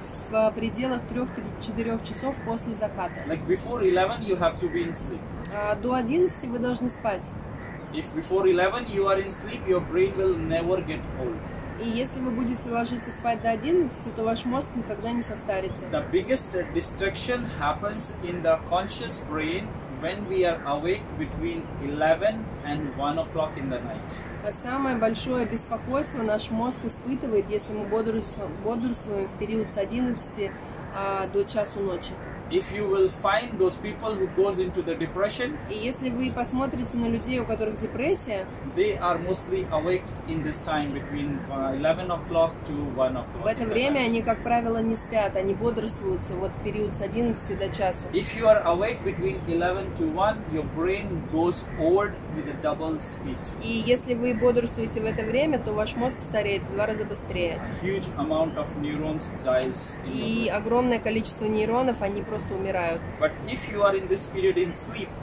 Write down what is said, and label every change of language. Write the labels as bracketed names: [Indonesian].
[Russian] В пределах 3-4 часов после заката. [English] Like before 11 you have to be in sleep. [Russian] До 11 вы должны спать. [English] If before 11 you are in sleep, your brain will never get old. [Russian] И если вы будете ложиться спать до 11, то ваш мозг никогда не состарится. [English] The biggest destruction happens in the conscious brain when we are awake between 11 and 1 o'clock in the night. [Russian] Самое большое беспокойство наш мозг испытывает, если мы бодрствуем в период с 11 до часу ночи. [English] If you will find those people who goes into the depression, [Russian] и если вы посмотрите на людей, у которых депрессия, [English] they are mostly awake in this time between 11 o'clock to 1 o'clock. [Russian] В это время они, как правило, не спят, они бодрствуются вот в период с 11 до часу. [English] If you are awake between 11 to 1, your brain goes old with a double speed. [Russian] И если вы бодрствуете в это время, то ваш мозг стареет в 2 раза быстрее. [English] A huge amount of neurons dies in [Russian] и огромное количество нейронов они просто умирают. [English] But if you are in this period in sleep,